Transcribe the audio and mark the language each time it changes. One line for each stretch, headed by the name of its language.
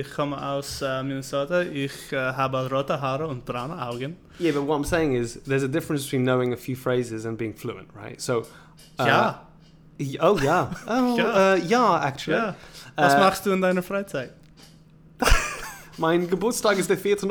German: Ich komme aus Minnesota. Ich habe rote Haare und braune Augen.
English: Yeah, but what I'm saying is there's a difference between knowing a few phrases and being fluent, right? So. Yeah. Oh, yeah. Oh, yeah. Yeah, actually. Yeah.
German: Was machst du in deiner Freizeit? Mein Geburtstag ist der 14.